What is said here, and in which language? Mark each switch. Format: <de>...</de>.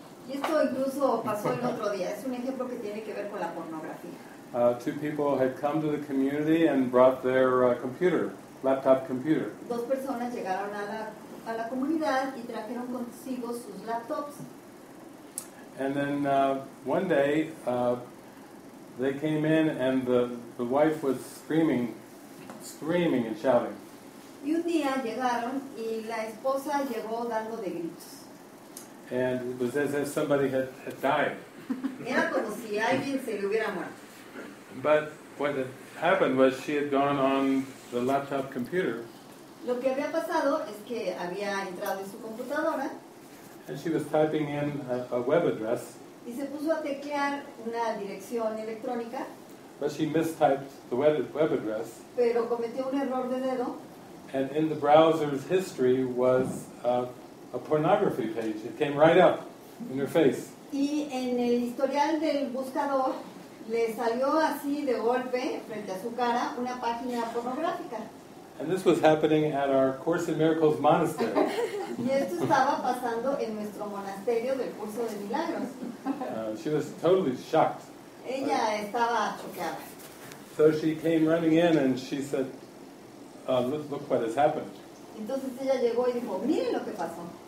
<es>Y esto incluso pasó el otro día. Es un ejemplo que tiene que ver con la pornografía.</es> <en>Two people had come to the community and brought their computer, laptop computer.</en> <es>Dos personas llegaron a la comunidad y trajeron consigo sus laptops.</es> <en>And then one day they came in and the wife was screaming and shouting.</en> <es>Y un día llegaron y la esposa llegó dando de gritos.</es> <en>And it was as if somebody had died.</en> <es>Era como si alguien se le hubiera muerto.</es> <en>But what had happened was she had gone on the laptop computer.</en> <es>Lo que había pasado es que había entrado en su computadora.</es> <en>And she was typing in a web address.</en> <es>Y se puso a teclear una dirección electrónica.</es> <en>But she mistyped the web address.</en> <es>Pero cometió un error de dedo.</es> <en>And in the browser's history was a pornography page. It came right up in her face.</en> <es>Y en el historial del buscador le salió así de golpe frente a su cara una página pornográfica.</es> <en>And this was happening at our Course in Miracles monastery.</en> <es>Y esto estaba pasando en nuestro monasterio del curso de milagros.</es> <en>She was totally shocked.</en> <es>Ella estaba choqueada.</es> <en>So she came running in and she said, look what has happened.</en> <es>Entonces ella llegó y dijo, miren lo que pasó.</es>